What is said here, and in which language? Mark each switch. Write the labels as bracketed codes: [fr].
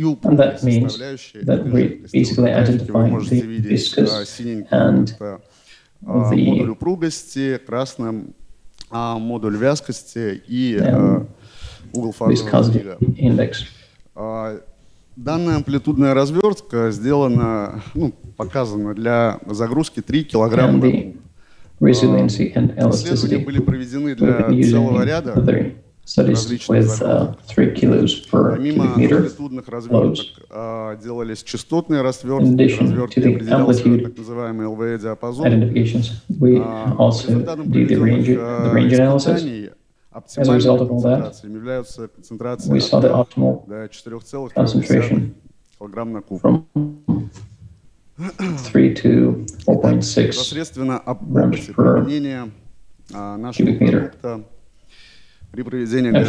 [en] And that means that we basically identify the viscous and the [ru] модуль упругости, красным модуль вязкости и угол фазы индекс. Данная амплитудная развертка сделана, ну, показана для загрузки 3 килограмма. [en] Resiliency and elasticity [ru] были проведены для целого ряда различных [en] 3 kilos per cubic meter loads. [ru] Делались частотные развертки, амплитуд, так называемые LVA диапазон. [en] Identifications. We also did the range analysis. As a result of all that, we saw the optimal concentration from 3 to 4.6 grams per cubic meter.